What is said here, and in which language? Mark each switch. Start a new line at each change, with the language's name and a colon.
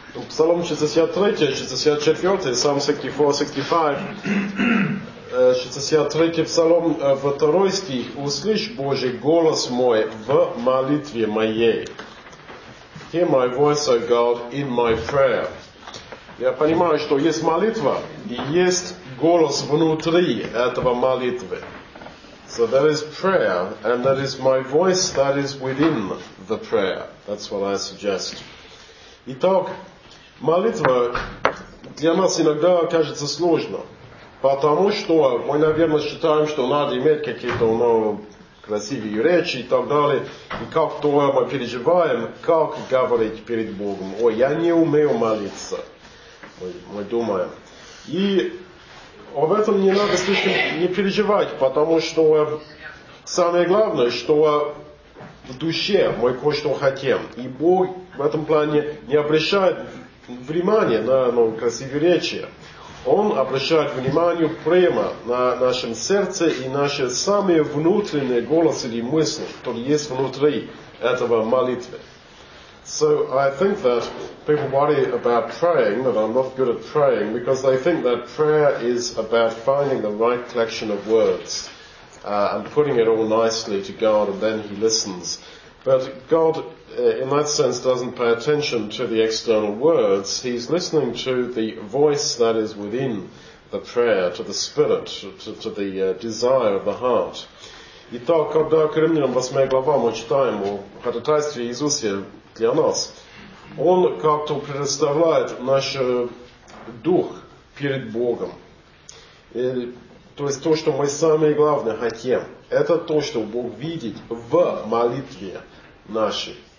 Russian: Псалом 63, 64, Псалом 64, 65, 63 Псалом, второй стих, «Услышь, Боже, голос мой в молитве моей».
English: Hear my voice, O God, in my prayer.
Russian: Я понимаю, что есть молитва, и есть голос внутри этого молитвы.
English: So there is prayer, and there is my voice that is within the prayer. That's what I suggest.
Russian: Итак, молитва для нас иногда кажется сложно, потому что мы, наверное, считаем, что надо иметь какие-то красивые речи и так далее. И как то мы переживаем, как говорить перед Богом. Ой, я не умею молиться. Мы думаем. И об этом не надо слишком не переживать, потому что самое главное, что в душе мы кое-что хотим. И Бог в этом плане не обращает внимания на красивые речи. Он обращает внимание прямо на нашем сердце и наши самые внутренние голосы или мысли, которые есть внутри этого молитвы.
English: So I think that people worry about praying, that I'm not good at praying, because they think that prayer is about finding the right collection of words and putting it all nicely to God, and then He listens. But God, in that sense, doesn't pay attention to the external words. He's listening to the voice that is within the prayer, to the spirit, to the desire of the heart.
Russian: Итак, когда Коринфянам 8 глава мы читаем о ходатайстве Иисуса для нас, он как-то представляет наш дух перед Богом. То есть то, что мы самое главное хотим, это то, что Бог видит в молитве нашей.